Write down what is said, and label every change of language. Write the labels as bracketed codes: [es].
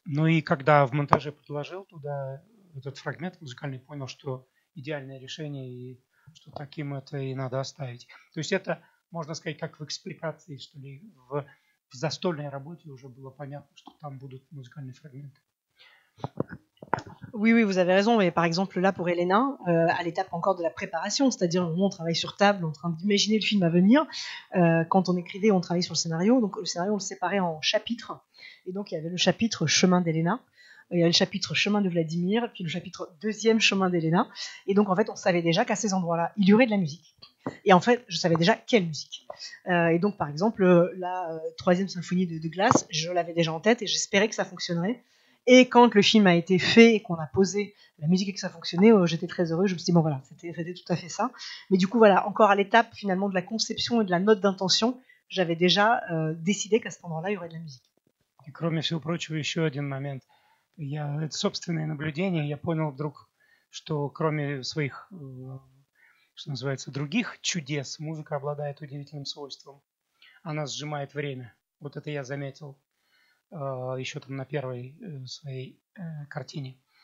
[ru] Ну и когда в монтаже подложил туда этот фрагмент музыкальный, понял, что идеальное решение, и что таким это и надо оставить. То есть это, можно сказать, как в экспликации, что ли, в застольной работе уже было понятно, что там будут музыкальные фрагменты. [fr] Oui, vous avez raison. Mais par exemple, là, pour Elena, à l'étape encore de la préparation, c'est-à-dire où on travaille sur table, en train d'imaginer le film à venir, quand on écrivait, on travaillait sur le scénario. Donc le scénario, on le séparait en chapitres. Et donc, il y avait le chapitre « Chemin d'Elena », il y avait le chapitre « Chemin de Vladimir », puis le chapitre « Deuxième chemin d'Elena ». Et donc, en fait, on savait déjà qu'à ces endroits-là, il y aurait de la musique. Et en fait, je savais déjà quelle musique. Et donc, par exemple, la troisième symphonie de Glass, je l'avais déjà en tête et j'espérais que ça fonctionnerait. Et quand le film a été fait et qu'on a posé la musique et que ça fonctionnait, j'étais très heureux. Je me suis dit, bon voilà, c'était tout à fait ça. Mais du coup, voilà, encore à l'étape finalement de la conception et de la note d'intention, j'avais déjà décidé qu'à cet endroit-là, il y aurait de la musique. [ru] Et, кроме всего прочего, еще один момент. Это собственное наблюдение. Я понял вдруг, что кроме своих, что называется, других чудес, музыка обладает удивительным свойством. Она сжимает время. Вот это я заметил. Еще там на первой своей картине.